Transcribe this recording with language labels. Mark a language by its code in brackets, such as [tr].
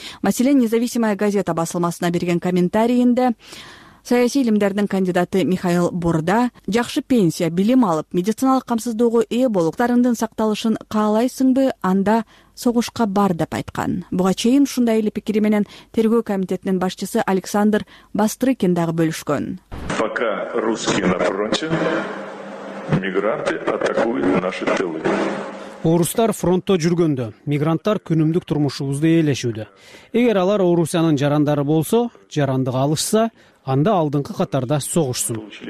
[ky] Маселен, Независимая газета басылмасына берген комментарийинде саясий илимдердин кандидаты Михаил Борда жакшы пенсия, билим алып, медициналык камсыздоого ээ болуктарыңдын сакталышын каалайсыңбы, анда согушка бар деп айткан. Буга чейин ушундай эле пикири менен тергөө комитетинин башчысы Александр Бастрыкин дагы бөлүшкөн. [ru] Пока русские на фронте, мигранты атакуют наши тылы. [ky] Орустар фронтто жүргөндө, мигранттар күнүмдүк турмушубузду ээлешүүдө. Эгер алар Орусиянын жарандары болсо, жаранды алышса, анда алдыңкы катарда согушсун.